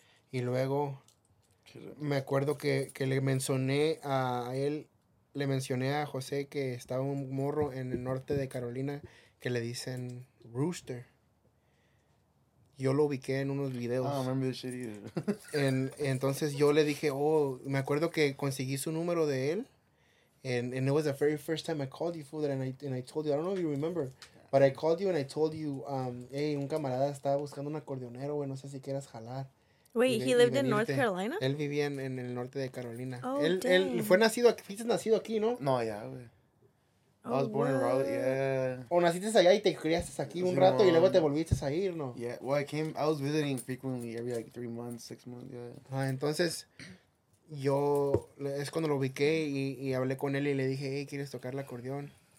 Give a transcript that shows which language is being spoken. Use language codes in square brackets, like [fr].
[es] Y luego me acuerdo que le mencioné a él, le mencioné a José que estaba un morro en el norte de Carolina que le dicen Rooster. Yo lo ubiqué en unos videos. [en] Oh, I remember the shit either. [es] Entonces yo le dije, oh, me acuerdo que conseguí su número de él. [en] And it was the very first time I called you, fool, and I told you, I don't know if you remember, but I called you and I told you, hey, [es] un camarada estaba buscando un acordeonero, güey, no sé si quieras jalar. [en] Wait, he lived in North Carolina? [es] Él vivía en el norte de Carolina. Oh, él fue nacido aquí, fuiste nacido aquí, ¿no? No, ya, [en] yeah, güey. I was born in Raleigh, yeah. [es] O naciste allá y te criaste aquí un rato y luego te volviste a ir, ¿no? [en] Yeah, well, I was visiting frequently every, like, 3 months, 6 months, yeah. [es] Ah, entonces, yo, es cuando lo ubiqué y hablé con él y le dije, hey, ¿quieres tocar el acordeón?